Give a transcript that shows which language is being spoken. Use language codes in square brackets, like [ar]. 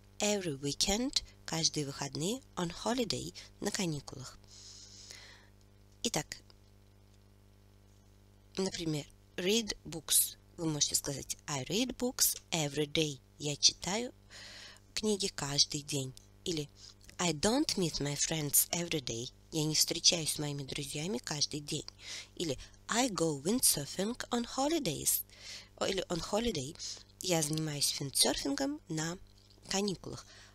[en] Every weekend, [ru] каждые выходные. [en] On holiday, [ru] на каникулах. Итак, например, read books. Вы можете сказать, [en] I read books every day. [ru] Я читаю книги каждый день. [en] Или, I don't meet my friends every day. [ru] Я не встречаюсь с моими друзьями каждый день. [en] Или, I go windsurfing on holidays. Или on holiday. [ru] Я занимаюсь виндсерфингом на каникулах.